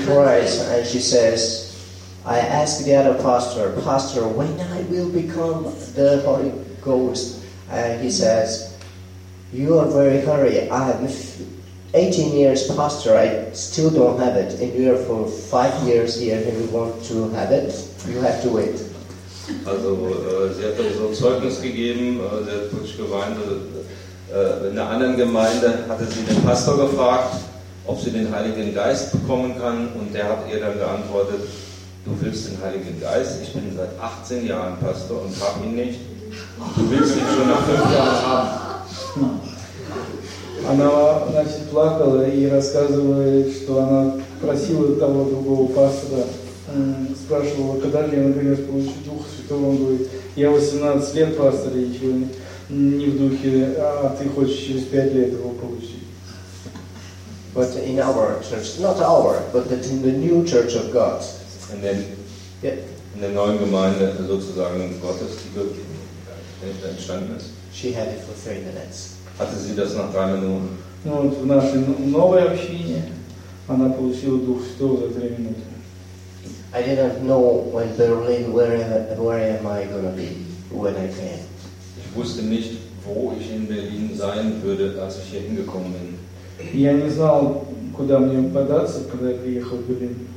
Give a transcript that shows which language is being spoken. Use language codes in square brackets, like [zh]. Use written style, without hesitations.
[en] cries and she says, I asked the other pastor, Pastor, when I will become the Holy Ghost? And he says, you are very hurry. I'm 18 years pastor, I still don't have it. And you are for 5 years here and you want to have it, you have to wait. [de] Also, sie hat so ein Zeugnis gegeben, sie hat wirklich geweint. In einer anderen Gemeinde hatte sie den Pastor gefragt, ob sie den Heiligen Geist bekommen kann. Und der hat ihr dann geantwortet, du willst den Heiligen Geist? Ich bin seit 18 Jahren Pastor und habe ihn nicht. Du willst ihn schon nach 5 Jahren haben. [ru] Она, значит, плакала и рассказывает, что она просила того другого пастора, спрашивала, когда же я, например, получу Духа Святого. Он говорит, я 18 лет пастор, и ничего не в духе, а ты хочешь через 5 лет его получить. [en] But in our church, not our, but in the new church of God. And then, yeah. [de] In der neuen Gemeinde, sozusagen Gottes, die wirklich entstanden ist. [en] She had it for 3 minutes. [de] Hatte sie das nach 3 Minuten? [ru] Ну, вот в нашей новой общине она получила Дух Святого за 3 минуты. [en] I didn't know when Berlin, where am I gonna be when I came. [de] Ich wusste nicht, wo ich in Berlin sein würde, als ich hier hingekommen bin. [ru] Я не знал, куда мне податься, когда я приехал в Берлин.